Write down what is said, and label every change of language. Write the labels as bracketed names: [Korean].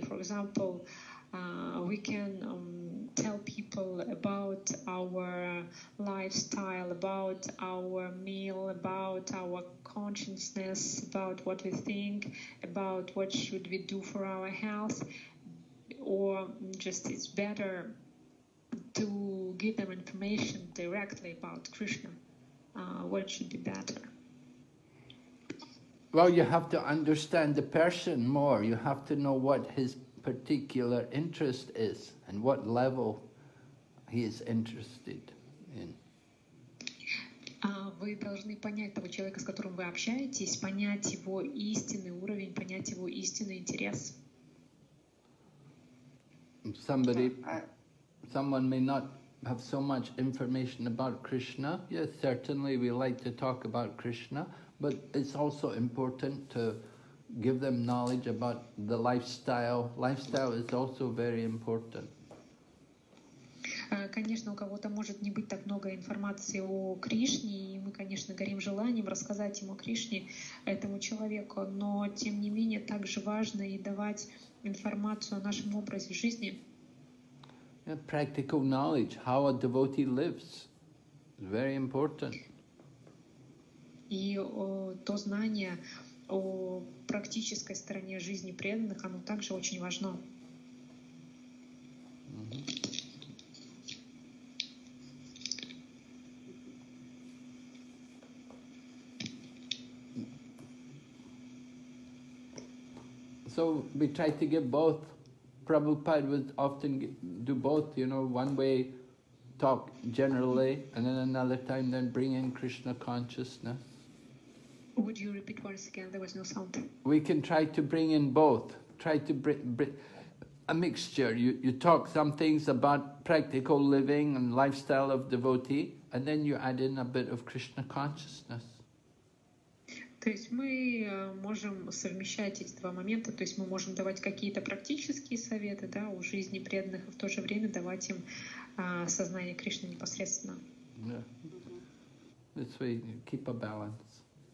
[English] For example, we can tell people about our lifestyle, about our meal, about our consciousness, about what we think, about what should we do for our health, or just it's better to give them information directly about Krishna, what should be better? Well, you have to understand the person more. You have to know what his particular interest is and what level he is interested in. [Russian] Вы должны понять того человека, с которым вы общаетесь, понять его истинный уровень, понять его истинный интерес. [English] Someone may not have so much information about Krishna. Yes, certainly we like to talk about Krishna, but it's also important to give them knowledge about the lifestyle. Lifestyle is also very important. [Russian] Конечно, у кого-то может не быть так много информации о Кришне, и мы, конечно, горим желанием рассказать ему о Кришне, этому человеку, но, тем не менее, также важно и давать информацию о нашем образе жизни. [English] Practical knowledge, how a devotee lives, is very important. [Russian] И то знание о практической стороне жизни преданных, оно также очень важно. [English] So we try to give both. Prabhupada would often do both, you know, one way talk generally, and then another time then bring in Krishna consciousness. Would you repeat once again? There was no sound. We can try to bring in both. Try to bring a mixture. You talk some things about practical living and lifestyle of devotee, and then you add in a bit of Krishna consciousness. [Russian] То есть мы можем совмещать эти два момента, то есть мы можем давать какие-то практические советы, да, о жизни преданных, и в то же время давать им сознание Кришны непосредственно. [English] Yeah. That's why you keep a balance.